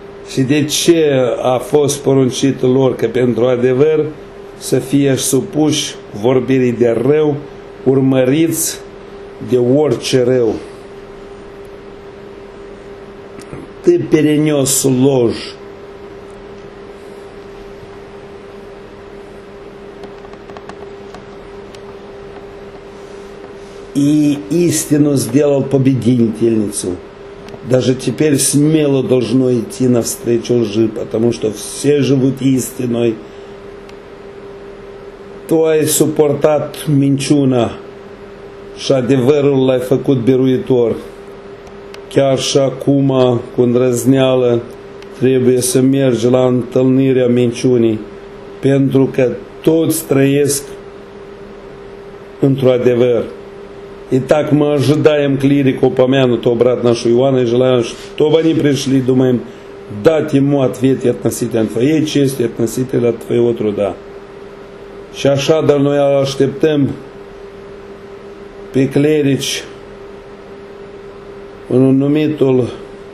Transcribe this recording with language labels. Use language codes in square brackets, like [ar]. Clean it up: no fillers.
[ro] Și de ce a fost poruncit lor că pentru adevăr să fie supuși vorbirii de rău, urmăriți de orice rău? [ru] Ты перенес ложь. И истину сделал победительницу. Даже теперь смело должно идти навстречу лжи, потому что все живут истиной. [ro] Tu ai suportat minciuna și adevărul l-ai făcut biruitor. Chiar și acum, cu îndrăzneală, trebuie să mergi la întâlnirea minciunii, pentru că toți trăiesc într-un adevăr. [ru] Итак, мы ожидаем клирика упомянутого брат нашего Иоанна и желаем, чтобы они пришли, думаем, дать ему ответ относительно твоей чести, относительно твоего труда. [ro] Și așa, dar noi așteptăm pe clerici în numitul